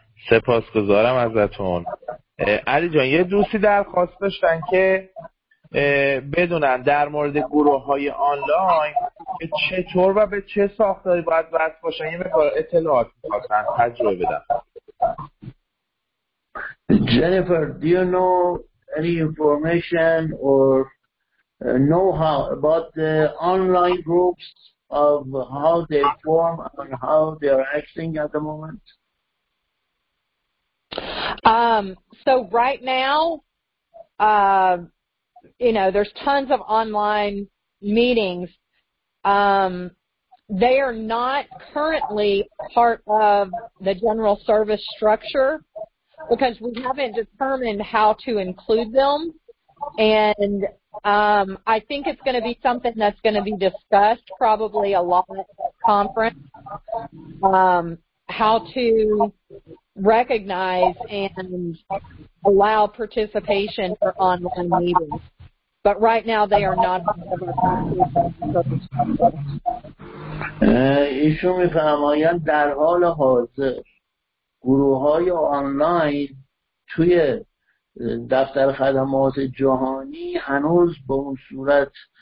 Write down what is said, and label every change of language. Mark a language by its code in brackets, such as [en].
[fa] سپاسگزارم ازتون. علی جان یه دوستی درخواست داشتن که بدونن در مورد گروه های آنلاین که چطور و به چه ساختاری باید وصل باشن، یه مقدار اطلاعات می‌خواستن تجربه بدن. [en] Jennifer, do you know any information or know how about the online groups of how they form and how they are acting at the moment? So right now, you know, there's tons of online meetings. They are not currently part of the general service structure, because we haven't determined how to include them. And I think it's going to be something that's going to be discussed probably a lot at the conference, how to recognize and allow participation for online meetings. But right now they are not part of our conference. [fa] ایشون می‌فرمایند در حال حاضر گروه‌های آنلاین توی دفتر خدمات جهانی هنوز به اون صورت